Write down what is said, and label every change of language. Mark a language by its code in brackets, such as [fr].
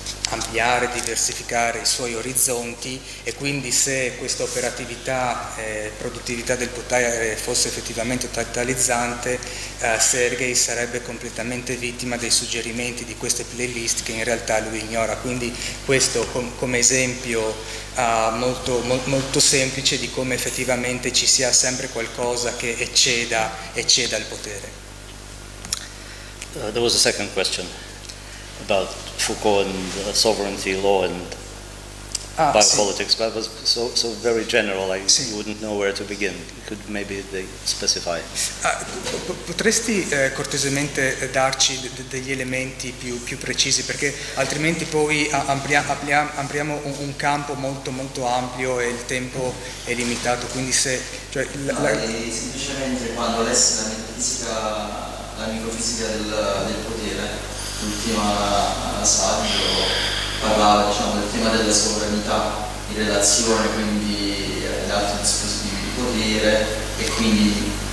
[it] ampliare, diversificare i suoi orizzonti, e quindi se questa operatività, produttività del potere fosse effettivamente totalizzante, Sergei sarebbe completamente vittima dei suggerimenti di queste playlist che in realtà lui ignora. Quindi questo come esempio molto semplice di come effettivamente ci sia sempre qualcosa che ecceda il potere. [en] There was a second question about Foucault and sovereignty law and biopolitics, sì. But it was so very general, like, sì. You wouldn't know where to begin. Could maybe they specify? [it] Potresti cortesemente darci degli elementi più precisi, perché altrimenti poi apriamo un campo molto molto ampio e il tempo è limitato, quindi se... Cioè, semplicemente quando adesso la microfisica del potere, l'ultimo saggio parlava, diciamo, del tema della sovranità in relazione quindi ad altri dispositivi di potere e quindi